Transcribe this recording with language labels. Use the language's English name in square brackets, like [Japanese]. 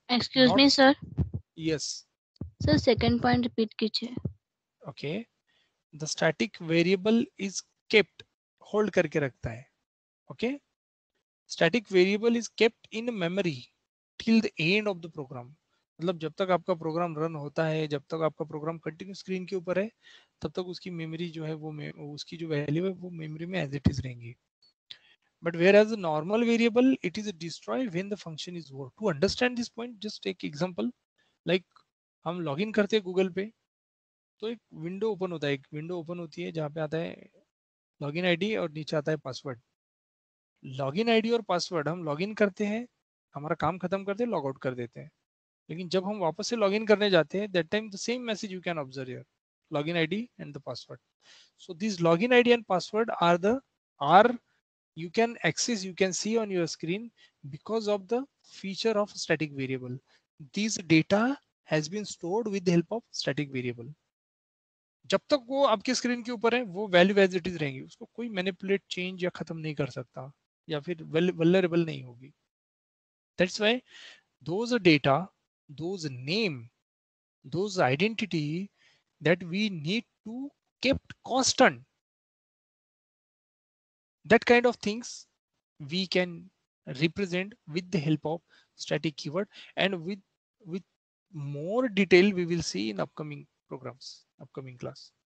[English] Excuse me, sir. Yes. Sir, second point repeat [Hindi] kiche. [English] Okay. The static variable is kept hold [Hindi] karke rakhta hai. [English] Okay. Static variable is kept in memory till the end of the program. [Hindi] मतलब जब तक आपका program run होता है, जब तक आपका programme continue screen के ऊपर है, तब तक उसकी मेमोरी जो है वो उसकी जो वैल्यू है वो मेमोरी में [English] as it is [Hindi] रहेंगी. [English] But where as a normal variable it is destroy when the function is over. To understand this point just take example. [Hindi] Like हम लॉग इन करते हैं गूगल पे, तो एक विंडो ओपन होता है, एक विंडो ओपन होती है जहाँ पे आता है लॉग इन आई डी और नीचे आता है password. Log in I D और पासवर्ड हम लॉग इन करते हैं, हमारा काम खत्म करते हैं, लॉग आउट कर देते हैं. लेकिन जब हम वापस से लॉग इन करने जाते हैं, [English] That time the same message you can observe here, log in I D and the password. So this log in I D and password are you can access, you can see on your screen because of the feature of static variable. This data has been stored with the help of static variable. [Hindi] जब तक वो आपके screen के ऊपर है वो value [English] as it is [Hindi] रहेंगी, उसको कोई मैनिपुलेट चेंज या खत्म नहीं कर सकता या फिर वल्नरेबल नहीं होगी. [English] That's why those data, those name, those identity that we need to kept constant, that kind of things we can represent with the help of static keyword, and with more detail we will see in upcoming programs, upcoming class.